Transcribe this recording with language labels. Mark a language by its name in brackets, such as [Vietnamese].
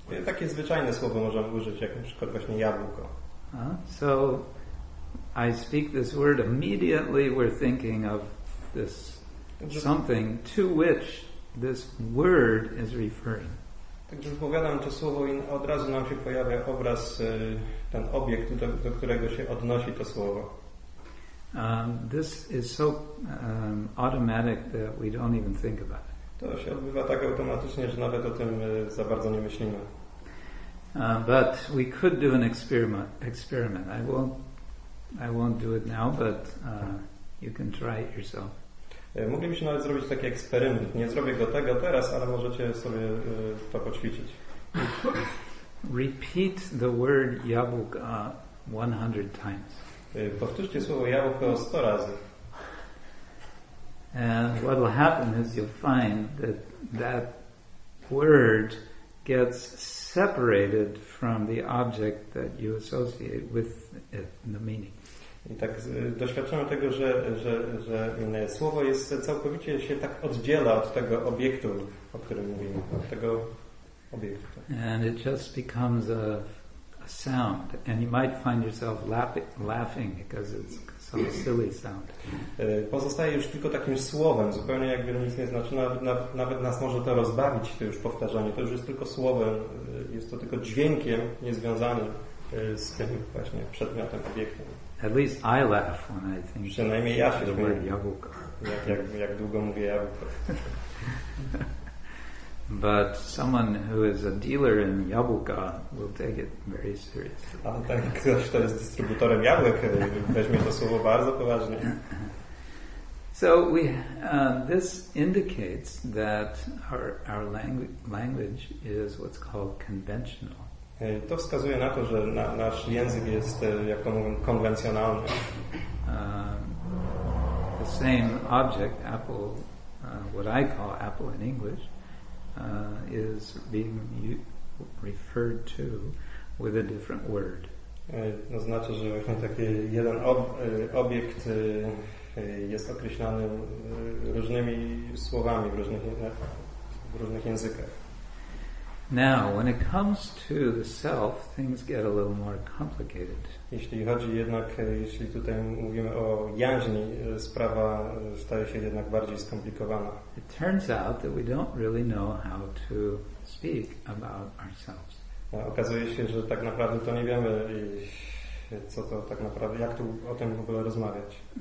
[Polish] Takie zwyczajne słowo możemy użyć, jak na przykład właśnie jabłko. [English] So I speak this word, immediately we're thinking of this something to which this word is referring. [Polish] Także wypowiadam to słowo i od razu nam się pojawia obraz, ten obiekt, do którego się odnosi to słowo. [English] This is so automatic that we don't even think about it. [Polish] To się odbywa tak automatycznie, że nawet o tym za bardzo nie myślimy. [English] But we could do an experiment. I won't do it now, but you can try it yourself. [Polish] Moglibyśmy nawet zrobić taki eksperyment. Nie zrobię go tego teraz, ale możecie sobie to poćwiczyć. [English] Repeat the word jabłka 100 times. [Polish] Powtórzcie słowo jabłko 100 razy. [English] And what will happen is you'll find that word gets separated from the object that you associate with it, the meaning. [Polish] I tak doświadczamy tego, że słowo jest całkowicie się tak oddziela od tego obiektu, o którym mówimy, od tego obiektu. [English] And it just becomes a sound, and you might find yourself laughing because it's some silly sound. [Polish] Pozostaje już tylko takim słowem, zupełnie jakby nic nie znaczy, nawet nas może to rozbawić, to już powtarzanie, to już jest tylko słowem, jest to tylko dźwiękiem niezwiązanym z tym właśnie przedmiotem, obiektem. [English] At least I laugh when I think of the word jabłko. [Polish] Jak długo mówię jabłko. [English] But someone who is a dealer in jabłka will take it very seriously. [Polish] Ale tak, ktoś, kto jest dystrybutorem jabłek, weźmie to słowo bardzo poważnie. [English] So this indicates that our language is what's called conventional. [Polish] To wskazuje na to, że nasz język jest, jak to mówię, konwencjonalny. [English] The same object, apple, what I call apple in English, is being referred to with a different word. [Polish] To znaczy, że właśnie taki jeden obiekt jest określany różnymi słowami w różnych językach. [English] Now, when it comes to the self, things get a little more complicated. [Polish] Jeśli chodzi jednak, jeśli tutaj mówimy o jaźni, sprawa staje się jednak bardziej skomplikowana. [English] It turns out that we don't really know how to speak about ourselves. [Polish] Okazuje się, że tak naprawdę to nie wiemy, co to tak naprawdę, jak tu o tym w ogóle rozmawiać.